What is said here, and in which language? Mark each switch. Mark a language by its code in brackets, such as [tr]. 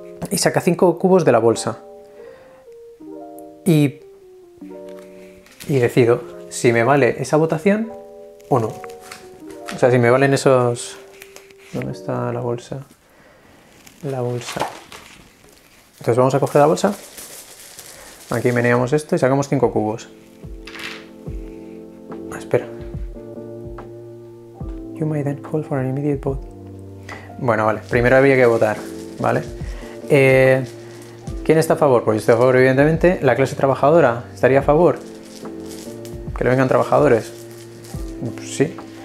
[es] Y saca 5 cubos de la bolsa. Y decido si me vale esa votación o no. O sea, si me valen esos... ¿Dónde está la bolsa? La bolsa. Entonces vamos a coger la bolsa. Aquí meneamos esto y sacamos 5 cubos. Ah, espera. [en] You may then call for an immediate vote. [es] Bueno, vale. Primero había que votar, ¿vale? ¿Quién está a favor? Pues yo estoy a favor, evidentemente. ¿La clase trabajadora estaría a favor? ¿Que le vengan trabajadores? Pues sí.